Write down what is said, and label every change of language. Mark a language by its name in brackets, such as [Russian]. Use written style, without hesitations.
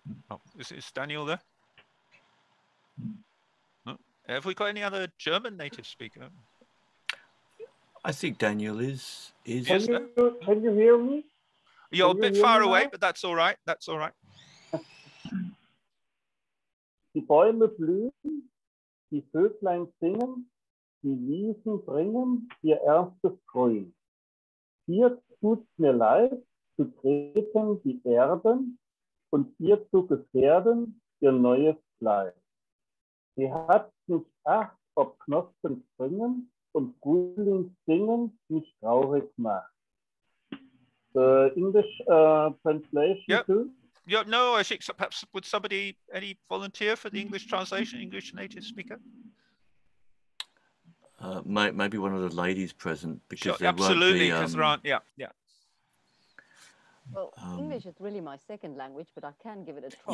[English] Oh, is Daniel there? No? Have we got any other German native speaker? I think Daniel is. Can you hear me? You're a bit far away, but that's all right. That's all right. [German] Die Bäume blühen, die Vöglein singen, die Wiesen bringen ihr erstes Grün. Hier tut's mir leid, zu treten die Erden und ihr zu gefährden ihr neues Fleisch. Sie hat nicht acht, ob Knospen springen und Frühling singen mich traurig macht. [English] The English translation. Yep. Too? Yeah, no, I think so perhaps would somebody, any volunteer for the English translation, English native speaker? Maybe one of the ladies present. Because sure, absolutely, because there aren't, Well, English is really my second language, but I can give it a try.